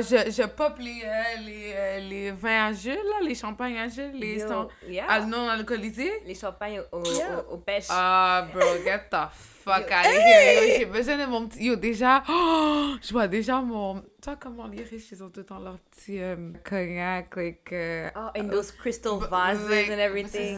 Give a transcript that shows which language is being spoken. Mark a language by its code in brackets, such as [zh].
[fr] Je pop les vins à jus, là, les champagnes à jus, les sons yeah. non alcoolisés? Les champagnes au pêche. [en] Ah, bro, get the fuck out of here. [fr] J'ai besoin de mon petit... Yo, déjà, oh, je vois déjà mon... Tu vois comment les riches, ils ont tout le temps leur petit cognac, like... [en] Oh, and those crystal vases like, and everything.